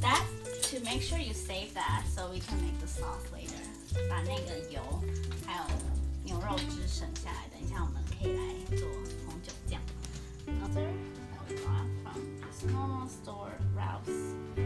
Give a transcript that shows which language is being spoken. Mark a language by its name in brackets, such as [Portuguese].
[English] That to make sure you save that so we can make the sauce later. [Chinese] 把那个油还有牛肉汁省下来，等一下我们可以来做红酒酱。 [English] Another that we bought from this normal store, Ramsay.